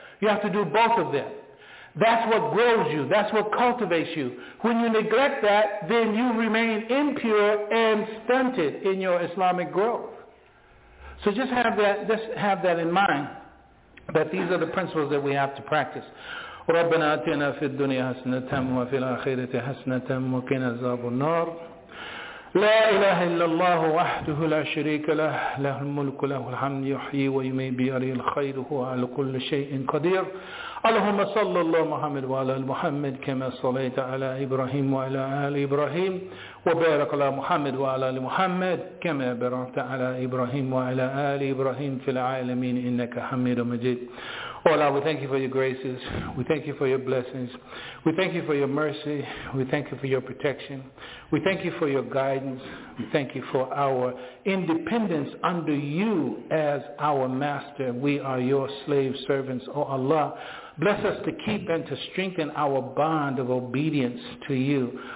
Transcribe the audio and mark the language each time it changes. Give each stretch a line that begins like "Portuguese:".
English: You have to do both of them. That's what grows you. That's what cultivates you. When you neglect that, then you remain impure and stunted in your Islamic growth. So just have that in mind, that these are the principles that we have to practice.
Arabic: ربنا آتنا في الدنيا حسنة وفي الآخرة حسنة وقنا عذاب النار. لا إله إلا الله وحده لا شريك له له الملك له الحمد يحيي ويميت بيده الخير هو على كل شيء قدير. اللهم صل الله محمد وعلى محمد كما صليت على إبراهيم وعلى آل إبراهيم وبارك على محمد وعلى محمد كما باركت على إبراهيم وعلى آل إبراهيم في العالمين إنك حميد مجيد.
English: Oh Allah, we thank you for your graces. We thank you for your blessings. We thank you for your mercy. We thank you for your protection. We thank you for your guidance. We thank you for our independence under you as our master. We are your slave servants. Oh Allah, bless us to keep and to strengthen our bond of obedience to you.